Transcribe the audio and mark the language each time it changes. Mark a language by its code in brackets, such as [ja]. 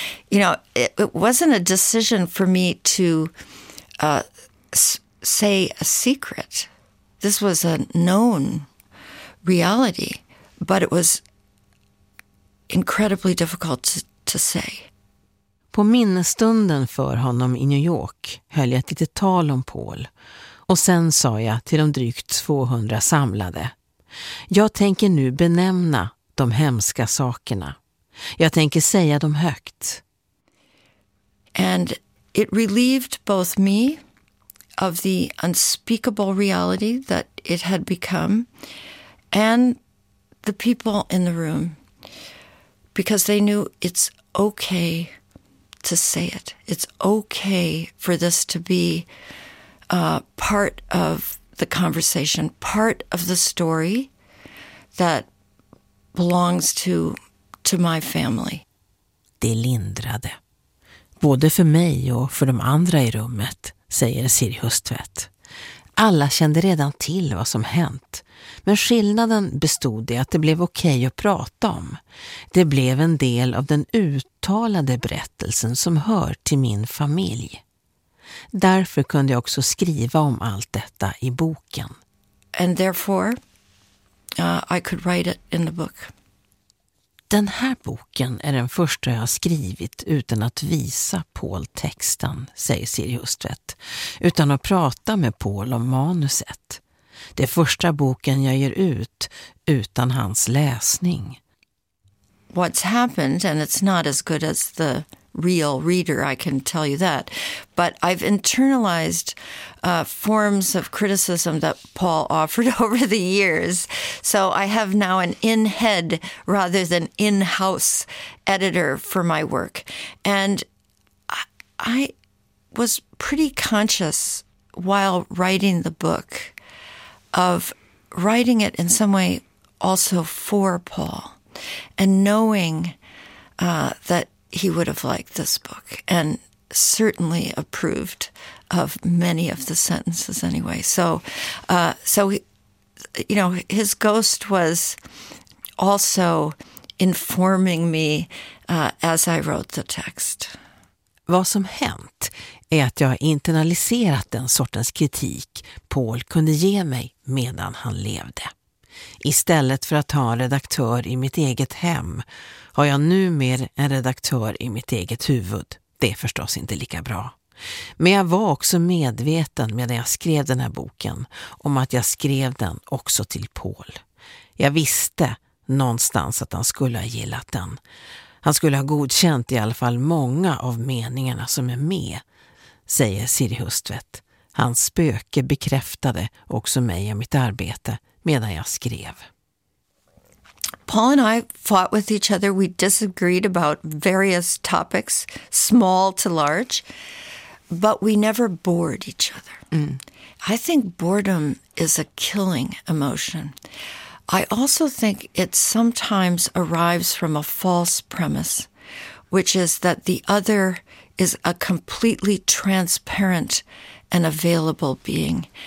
[en] You know, it wasn't a decision for me to say a secret. This was a known reality, but it was incredibly difficult to say. [sv] På minnesstunden för honom i New York höll jag ett litet tal om Paul. Och sen sa jag till de drygt 200 samlade: jag tänker nu benämna de hemska sakerna. Jag tänker säga dem högt. [en] And it relieved both me of the unspeakable reality that it had become and the people in the room, because they knew it's okay to say it. It's okay for this to be part of the conversation, part of the story that belongs to my family. [sv] Det lindrade. Både för mig och för de andra i rummet, säger Siri Hustvedt. Alla kände redan till vad som hänt. Men skillnaden bestod i att det blev okej att prata om. Det blev en del av den uttalade berättelsen som hör till min familj. Därför kunde jag också skriva om allt detta i boken. [en] And therefore, I could write it in the book. [sv] Den här boken är den första jag har skrivit utan att visa Paul texten, säger Siri Hustvedt, utan att prata med Paul om manuset. Det är första boken jag ger ut utan hans läsning. [en] What's happened, and it's not as good as the real reader, I can tell you that, but I've internalized forms of criticism that Paul offered over the years, so I have now an in-head rather than in-house editor for my work, and I was pretty conscious while writing the book of writing it in some way also for Paul, and knowing that he would have liked this book and certainly approved of many of the sentences anyway. So his ghost was also informing me as I wrote the text. [sv] Vad som hänt är att jag internaliserat den sortens kritik Paul kunde ge mig medan han levde. Istället för att ha en redaktör i mitt eget hem har jag nu mer en redaktör i mitt eget huvud. Det är förstås inte lika bra. Men jag var också medveten medan jag skrev den här boken om att jag skrev den också till Paul. Jag visste någonstans att han skulle ha gillat den. Han skulle ha godkänt i alla fall många av meningarna som är med, säger Siri Hustvedt. Hans spöke bekräftade också mig och mitt arbete medan jag skrev. [en] Paul and I fought with each other. We disagreed about various topics, small to large, but we never bored each other. Mm. I think boredom is a killing emotion. I also think it sometimes arrives from a false premise, which is that the other is a completely transparent and available being.